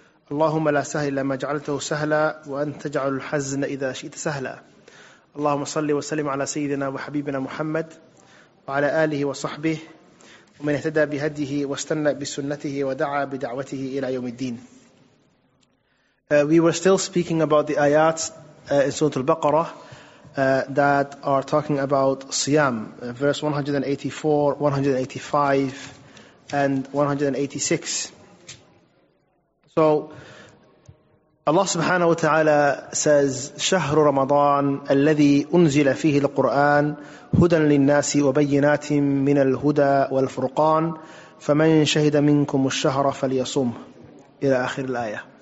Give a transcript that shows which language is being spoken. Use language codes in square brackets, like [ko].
[ar] اللهم لا سهل إلا ما جعلته سهلا وأن تجعل الحزن إذا شئت سهلا اللهم صل وسلم على سيدنا وحبيبنا محمد وعلى آله وصحبه ومن اهتدى بهديه واستنى بسنته ودعا بدعوته إلى يوم الدين. [en] We were still speaking about the آيات in Surah Al-Baqarah that are talking about Siyam, verse 184, 185 and 186. So Allah subhanahu wa ta'ala says, [ar] شهر رمضان الذي أنزل فيه القرآن هدى للناس وبينات من الهدى والفرقان فمن شهد منكم الشهر فليصوم إلى آخر الآية.